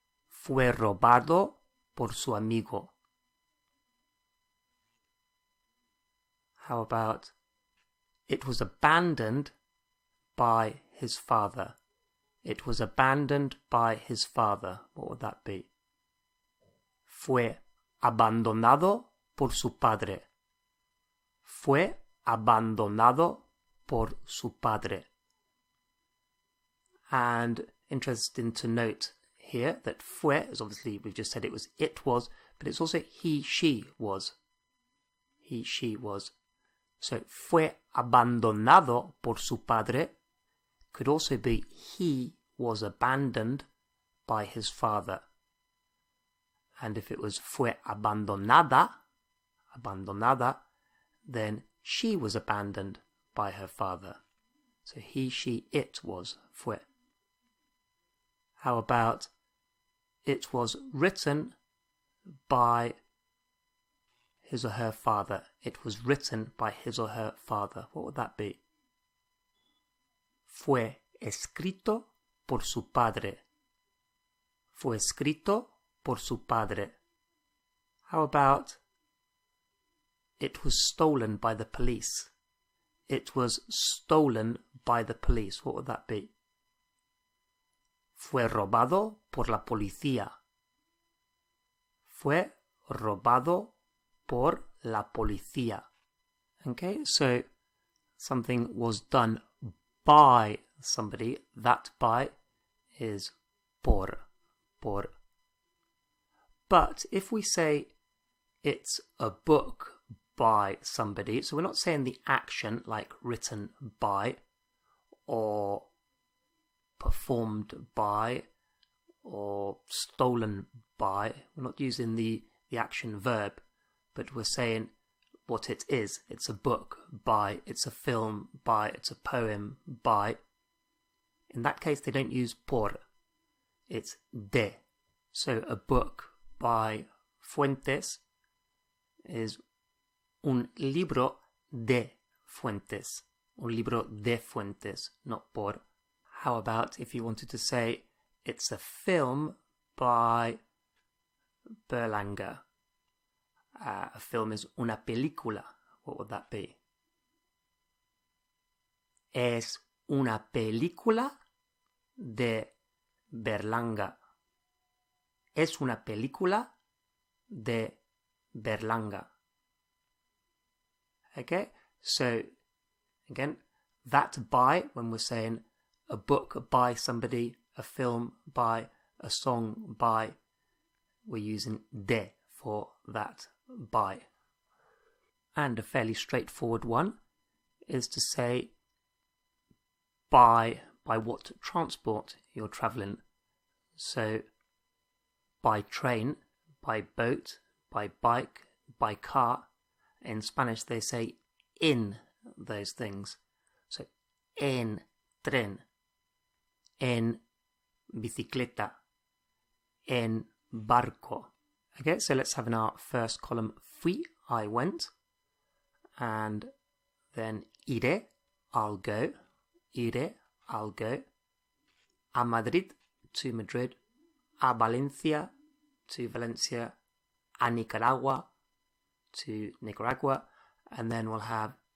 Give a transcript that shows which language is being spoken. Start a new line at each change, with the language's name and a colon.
Spanish: Fue robado por su amigo.
English: How about it was abandoned by his father? It was abandoned by his father. What would that be?
Spanish: Fue abandonado por su padre. Fue abandonado por su padre.
English: And interesting to note here that fue is obviously, we've just said it was, but it's also he, she was. He, she was. So,
Spanish: fue abandonado por su padre
English: could also be he was abandoned by his father. And if it was
Spanish: fue abandonada, abandonada,
English: then she was abandoned by her father. So, he, she, it was fue. How about it was written by his or her father? It was written by his or her father. What would that be?
Spanish: Fue escrito por su padre. Fue escrito por su padre.
English: How about it was stolen by the police? It was stolen by the police. What would that be?
Spanish: Fue robado por la policía. Fue robado por la policía.
English: Okay, so something was done by somebody. That by is por. Por. But if we say it's a book by somebody, so we're not saying the action like written by or performed by or stolen by. We're not using the action verb. But we're saying what it is. It's a book by, it's a film by, it's a poem by. In that case, they don't use por. It's de. So a book by Fuentes is
Spanish: un libro de Fuentes. Un libro de Fuentes,
English: not por. How about if you wanted to say it's a film by Berlanga? A film is una película. What would that be?
Spanish: Es una película de Berlanga. Es una película de Berlanga.
English: Okay, so again, that by, when we're saying a book by somebody, a film by, a song by, we're using de for that by. And a fairly straightforward one is to say by what transport you're traveling. So by train, by boat, by bike, by car. In Spanish, they say in those things. So
Spanish: en tren, en bicicleta, en barco.
English: Okay, so let's have in our first column, fui, I went, and then iré, I'll go, iré, I'll go, a Madrid, to Madrid, a Valencia, to Valencia, a Nicaragua, to Nicaragua, and then we'll have